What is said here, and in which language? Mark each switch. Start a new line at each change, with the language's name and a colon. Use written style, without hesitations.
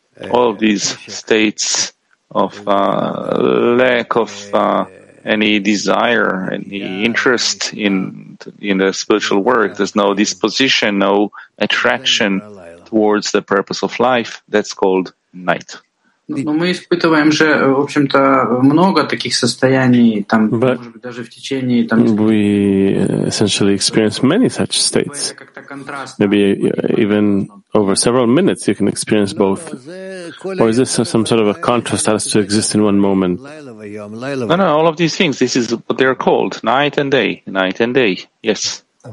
English: All these states of lack of any desire, any interest in the spiritual work, there's no disposition, no attraction towards the purpose of life, that's called night.
Russian: Но мы испытываем же, в общем-то, много таких состояний, там,
English: but
Russian: может быть, даже в течение там.
English: We essentially experience many such states. Maybe even over several minutes you can experience both. Or is this some sort of a contrast that has to exist in one moment? No, no, all of these things, this is what they're called, night and day, night and day. Yes.